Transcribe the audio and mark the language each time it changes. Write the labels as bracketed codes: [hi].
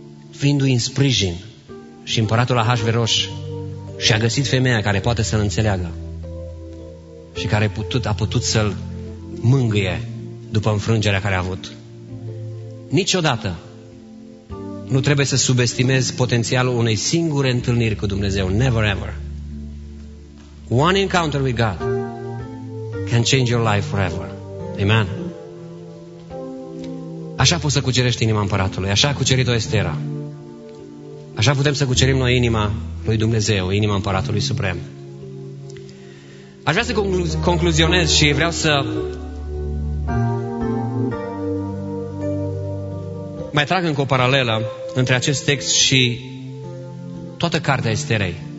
[ro] Fiindu-i în sprijin. Și împăratul Ahasveros și-a găsit femeia care poate să-l înțeleagă și care a putut să-l mângâie după înfrângerea care a avut. Niciodată nu trebuie să subestimezi potențialul unei singure întâlniri cu Dumnezeu. [en] Never ever. One encounter with God can change your life forever. [ro] Amen. Așa poți să cucerești inima împăratului. Așa a cucerit-o Estera. Așa putem să cucerim noi inima lui Dumnezeu, inima împăratului suprem. Aș vrea să concluzionez și vreau să mai trag încă o paralelă între acest text și toată cartea Esterei.